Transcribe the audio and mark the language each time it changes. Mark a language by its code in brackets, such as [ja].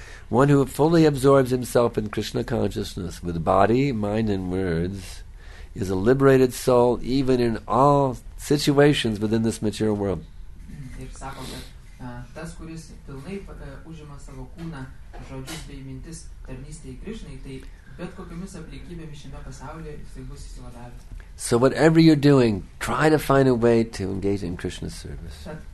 [en] One who fully absorbs himself in Krishna consciousness with body, mind, and words is a liberated soul even in all situations within this material world. [lt] Ir sako, kad tas, kuris pilnai užima savo kūną, žodžius bei mintis tarnystėje Krišnai, tai bet kokiomis aplinkybėmis šiame pasaulyje jisai bus įsivadavęs. [en] So whatever you're doing, try to find a way to engage in Krishna's service.